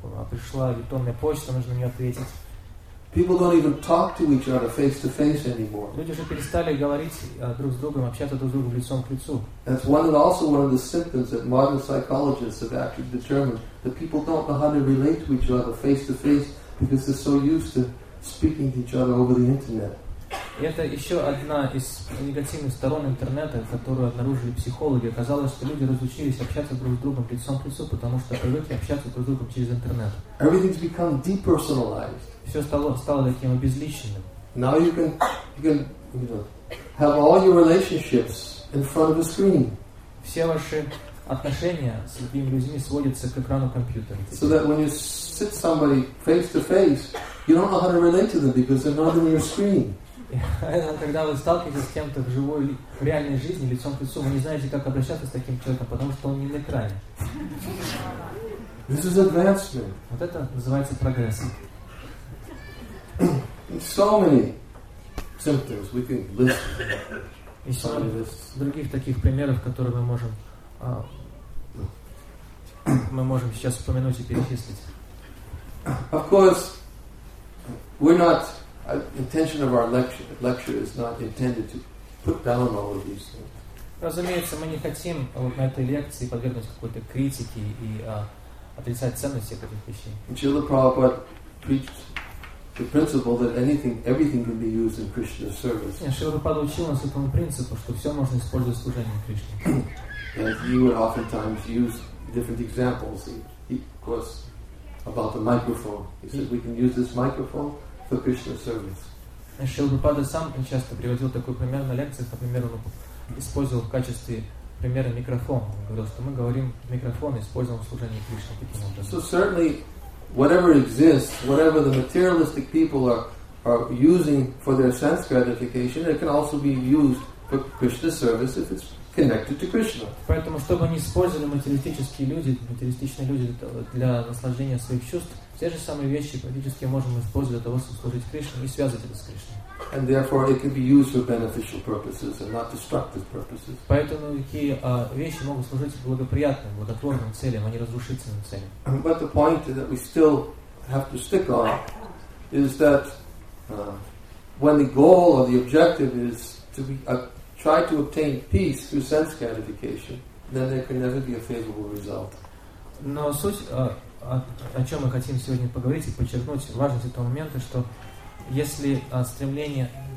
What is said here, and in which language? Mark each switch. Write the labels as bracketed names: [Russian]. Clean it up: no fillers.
[Russian] Пришла электронная почта, нужно на нее ответить. [English] People don't even talk to each other face to face anymore. [Russian] Люди уже перестали говорить друг с другом, общаться друг с другом лицом к лицу. [English] That's one and also one of the symptoms that modern psychologists have actually determined that people don't know how to relate to each other face to face because they're so used to speaking to each other over the internet. [Russian] Это еще одна из негативных сторон интернета, которую обнаружили психологи. Оказалось, что люди разучились общаться друг с другом лицом к лицу, потому что привыкли общаться друг с другом через интернет. [English] Everything's become depersonalized. [Russian] Все стало таким обезличенным. [English] Now you can have all your relationships in front of a screen. [Russian] Все ваши отношения с другими людьми сводятся к экрану компьютера. [English] So that when you sit somebody face to face, you don't know how to relate to them because they're not on your screen. [Russian] Когда вы сталкиваетесь с кем-то в живой, в реальной жизни, лицом к лицу, вы не знаете, как обращаться с таким человеком, потому что он не на экране. [English] This is advancement. [Russian] Вот это называется прогресс. [English] So many symptoms we can list. [Russian] Еще других таких примеров, которые мы можем сейчас вспомянуть и перечислить. [English] Of course, We're not. Intention of our lecture is not intended to put down all of these things. [Russian] Разумеется, мы не хотим вот на этой лекции подвергнуть какой-то критике и отрицать ценности этих вещей. [English] Srila Prabhupada preached the principle that anything, everything can be used in Krishna's service. [Russian] Srila Prabhupada учил нас этому принципу, что все можно использовать в служении Кришне. [English] And he would oftentimes use different examples. He, of course, about the microphone. He said, we can use this microphone for Krishna's service. [Russian] Srila Prabhupada сам часто приводил такой пример на лекциях, например, он использовал в качестве примера микрофон. Он говорил, что мы говорим микрофон, используем в служении Кришне таким образом. [English] So certainly, whatever exists, whatever the materialistic people are using for their sense gratification, it can also be used for Krishna's service if it's connected to Krishna. [Russian] Поэтому, чтобы они использовали материалистичные люди для наслаждения своих чувств, те же самые вещи практически можем использовать для того, чтобы служить Кришне и связывать это с Кришной. [English] And therefore, it can be used for beneficial purposes and not destructive purposes. [Russian] Поэтому такие вещи могут служить благоприятным, благотворным целям, а не разрушительным целям. [English] But the point that we still have to stick on is that when the goal or the objective is to be try to obtain peace through sense gratification, then there can never be a favorable result. [Russian] Но суть, о чем мы хотим сегодня поговорить и подчеркнуть важность этого момента, что если стремление,